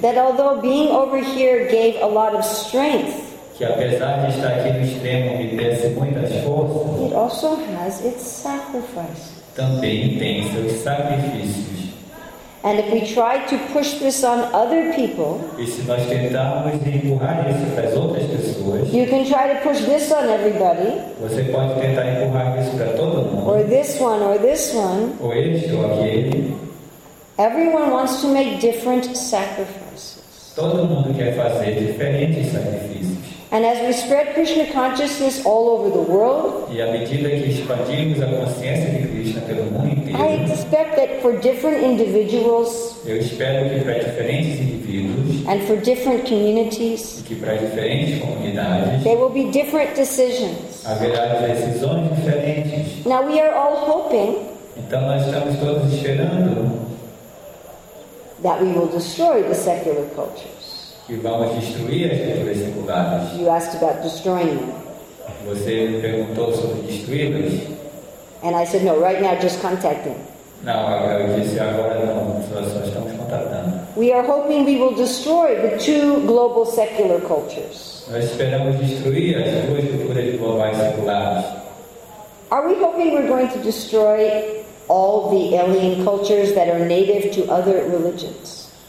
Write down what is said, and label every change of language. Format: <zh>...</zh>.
<en>That although being over here gave a lot of strength.</en> <pt>Que apesar de estar aqui no extremo me desse muitas forças.</pt> <en>It also has its sacrifice.</en> <pt>Também tem seus sacrifícios.</pt> <en>And if we try to push this on other people,</en> <pt>e se nós tentarmos empurrar isso para as outras pessoas,</pt> <en>you can try to push this on everybody,</en> <pt>você pode tentar empurrar isso para todo mundo,</pt> <en>or this one, or this one,</en> <pt>ou este ou aquele.</pt> <en>Everyone wants to make different sacrifices.</en> <pt>Todo mundo quer fazer diferentes sacrifícios.</pt> <en>And as we spread Krishna consciousness all over the world,</en> <pt>e à medida que expandimos a consciência de Krishna pelo mundo inteiro,</pt> <en>I expect that for different individuals,</en> <pt>eu espero que para diferentes indivíduos,</pt> <en>and for different communities,</en> <pt>e que para diferentes comunidades,</pt> <en>there will be different decisions.</en> <pt>Haverá decisões diferentes.</pt> <en>Now we are all hoping,</en> <pt>então nós estamos todos esperando,</pt> <en>that we will destroy the secular cultures.</en> <pt>Que vamos destruir as culturas seculares.</pt> <en>You asked about destroying them.</en> <pt>Você perguntou sobre destruí-las.</pt> <en>And I said, no, right now just contacting.</en> <pt>Não, eu disse agora não, nós só estamos contactando.</pt> <en>We are hoping we will destroy the two global secular cultures.</en> <pt>Nós esperamos destruir as duas culturas globais seculares.</pt> <en>Are we hoping we're going to destroy all the alien cultures that are native to other religions?</en>